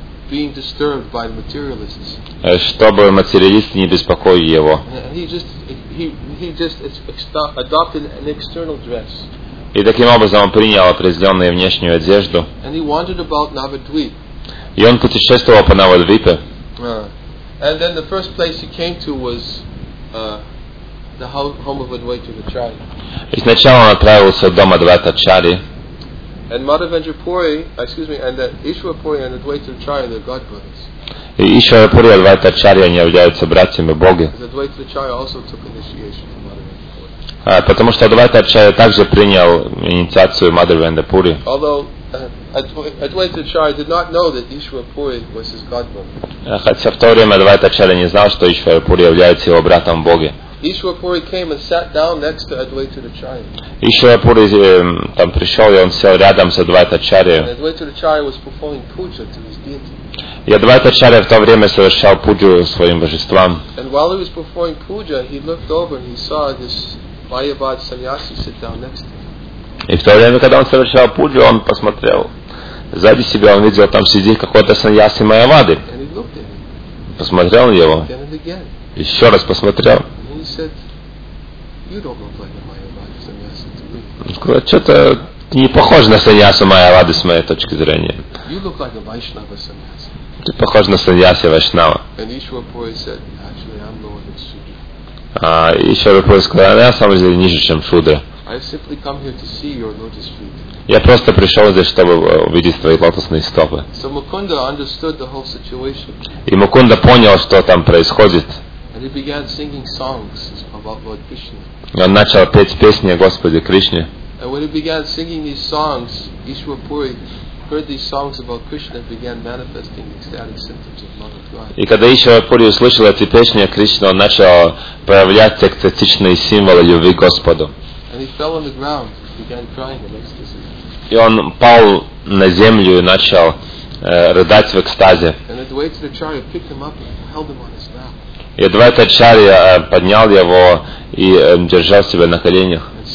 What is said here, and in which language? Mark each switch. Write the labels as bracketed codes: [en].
[en] Being disturbed by the materialists. [ru] Чтобы материалисты не беспокоили его. [en] He just adopted an external dress. [ru] И таким образом он принял определенную внешнюю одежду. [en] And he wandered about Navadvip. [ru] И он путешествовал по Навадвипе. [en] And then the first place he came to was the home of Advaita Acharya. [ru] И сначала он отправился в дом Адвайта Ачарьи. [en] And Madhavendra Puri, excuse me, and Ishwara Puri and Advaita Acharya, they're God brothers. [ru] Ishwara Puri and Advaita Acharya, они являются братьями Бога. [en] Advaita Acharya also took initiation from Madhavendra Puri. [ru] Потому что Advaita Acharya также принял инициацию Madhavendra Puri. [en] Although Advaita Acharya did not know that Ishwara Puri was his God brother. [ru] Хотя в то время Advaita Acharya не знал, что Ishwara Puri является его братом Бога. [en] Ishwara Puri came and sat down next to Advaita Acharya. [ru] Ishwara Puri там пришел и он сел рядом с Advaita Acharya. [en] Advaita Acharya was performing puja to his deity. [ru] И Advaita Acharya в то время совершал пуджу своим божествам. [en] And while he was performing puja, he looked over and he saw this Mayavad sannyasi sit down next to him. [ru] И в то время, когда он совершал пуджу, он посмотрел сзади себя, он видел, там сидит какой-то саньяси майявады. [en] And he looked at him. [ru] Посмотрел на него. [en] Again and again. [ru] Еще раз посмотрел. [en] He said, "You don't look like a Mayavadi sannyasi to me." [ru] Сказал, что-то ты не похож на саньяса майявады с моей точки зрения. [en] You look like a Vaishnava sannyasi. [ru] Ты похож на саньяси вайшнава. [en] And Ishwara Puri said, "Actually, I'm lower than Shudra." [ru] Ishwara Puri сказал, я сам здесь ниже, чем Шудра. [en] I simply come here to see your lotus feet. [ru] Я просто пришел здесь, чтобы увидеть твои лотосные стопы. [en] So Mukunda understood the whole situation. [ru] И Мукунда понял, что там происходит. [en] And he began singing songs about Lord Krishna. [ru] И он начал петь песни о Господе Кришне. [en] And when he began singing these songs, Ishwar Puri heard these songs about Krishna and began manifesting ecstatic symptoms of love of God. [ru] И когда Ishwar Puri услышал эти песни о Кришне, он начал проявлять экстатичные символы любви к Господу. [en] And he fell on the ground and began crying in ecstasy. [ru] И он пал на землю и начал рыдать в экстазе. [en] And Advaita Acharya picked him up and held him on his lap. [ru] И Адвайта Ачарья поднял его и держал себя на коленях.